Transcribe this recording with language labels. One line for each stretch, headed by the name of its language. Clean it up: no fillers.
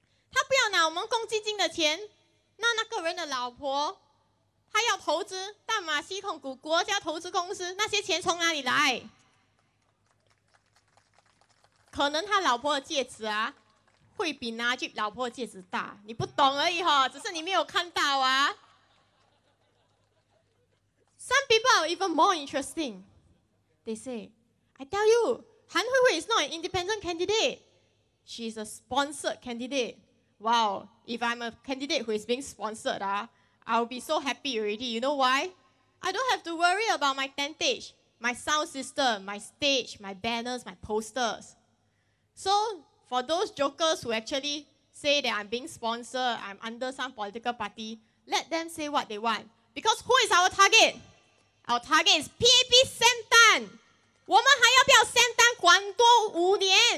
Chinese: 他不要拿我们公积金的钱，那那个人的老婆，他要投资淡马锡控股国家投资公司，那些钱从哪里来？可能他老婆的戒指啊，会比拿去老婆的戒指大，你不懂而已哈，只是你没有看到啊。
English: Some people are even more interesting. They say, I tell you, Han Huihui is not an independent candidate. She's a sponsored candidate. Wow, if I'm a candidate who is being sponsored, I'll be so happy already. You know why? I don't have to worry about my tentage, my sound system, my stage, my banners, my posters. So for those jokers who actually say that I'm being sponsored, I'm under some political party, let them say what they want. Because who is our target? Our target is PAP 三单。
Chinese: 我们还要不要三单管多五年？